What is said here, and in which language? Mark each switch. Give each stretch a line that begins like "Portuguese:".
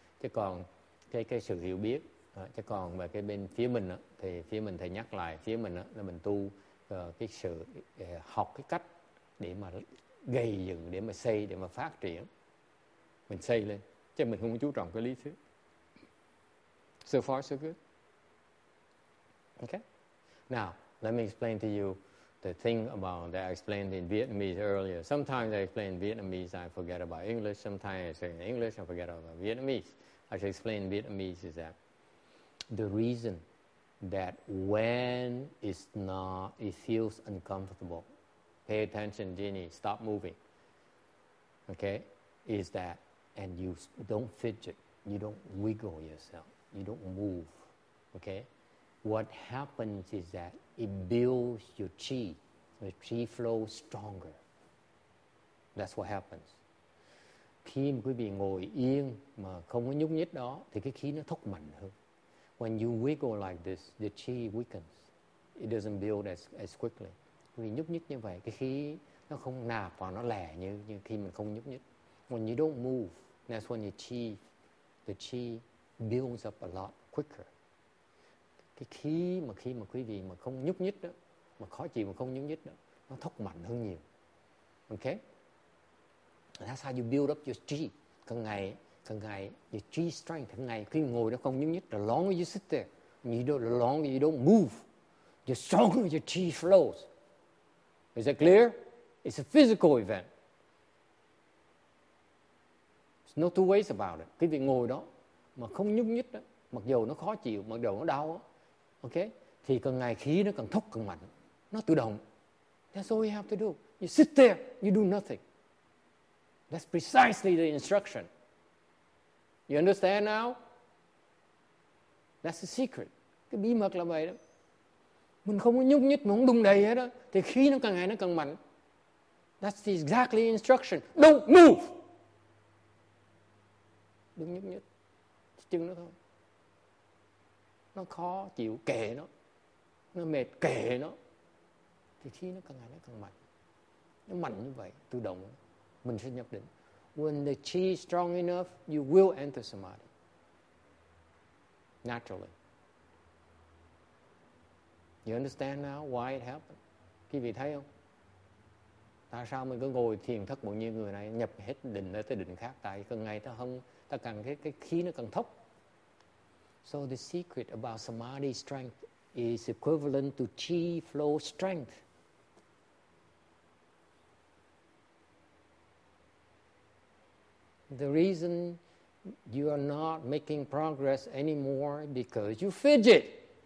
Vietnamese: Chứ còn cái sự hiểu biết, chứ còn về cái bên phía mình đó, thì phía mình thầy nhắc lại phía mình đó, là mình tu cái sự học cái cách để mà gây dựng, để mà xây, để mà phát triển, mình xây lên chứ mình không có chú trọng cái lý thuyết.
English: So far so good. Okay, now let me explain to you the thing about that I explained in Vietnamese earlier. Sometimes I explain Vietnamese, I forget about English. Sometimes I say in English, I forget about Vietnamese. I should explain Vietnamese is that the reason that when it's not, it feels uncomfortable, pay attention, Jenny, stop moving, okay, is that, and you don't fidget, you don't wiggle yourself, you don't move, okay? What happens is that it builds your chi, the chi flows stronger. That's what happens.
Vietnamese: Khi quý vị ngồi yên mà không có nhúc nhích đó, thì cái khí nó thúc mạnh hơn.
English: When you wiggle like this, the chi weakens. It doesn't build as quickly.
Vietnamese: Vì nhúc nhích như vậy, cái khí nó không nạp vào, nó lẻ như khi mình không nhúc nhích.
English: When you don't move, that's when the chi builds up a lot quicker.
Vietnamese: Cái khí mà khi mà quý vị mà không nhúc nhích đó, mà khó chịu mà không nhúc nhích đó, nó thúc mạnh hơn nhiều. Okay?
English: That's how you build up your chi.
Vietnamese: Càng ngày,
English: your G strength,
Vietnamese: ngày khi ngồi nó không nhúc nhích,
English: the longer you sit there, The longer you don't move, the stronger your chi flows. Is that clear? It's a physical event. There's no two ways about it.
Vietnamese: Cái việc ngồi đó mà không nhúc nhích đó, mặc dù nó khó chịu, mặc dù nó đau, ok, thì càng ngày khí nó càng thúc càng mạnh, nó tự động.
English: That's all you have to do. You sit there, you do nothing. That's precisely the instruction. You understand now? That's the secret.
Vietnamese: Cái bí mật là vậy đó. Mình không có nhúc nhích, mình không đung đầy hết đó, thì khí nó càng ngày nó càng mạnh.
English: That's the exactly instruction. Don't move.
Vietnamese: Đừng nhúc nhích. Chân nó thôi. Nó khó chịu, kệ nó. Nó mệt, kệ nó. Thì khí nó càng ngày nó càng mạnh. Nó mạnh như vậy, tự động. Mình sẽ nhập định.
English: When the chi is strong enough, you will enter samadhi. Naturally. You understand now why it happened?
Vietnamese: Quý vị thấy không? Tại sao mình cứ ngồi thiền thất bộ như người này nhập hết định tới định khác? Tại cần ngày ta không, ta cần cái khí nó cần thốc.
English: So the secret about samadhi strength is equivalent to chi flow strength. The reason you are not making progress anymore because you fidget.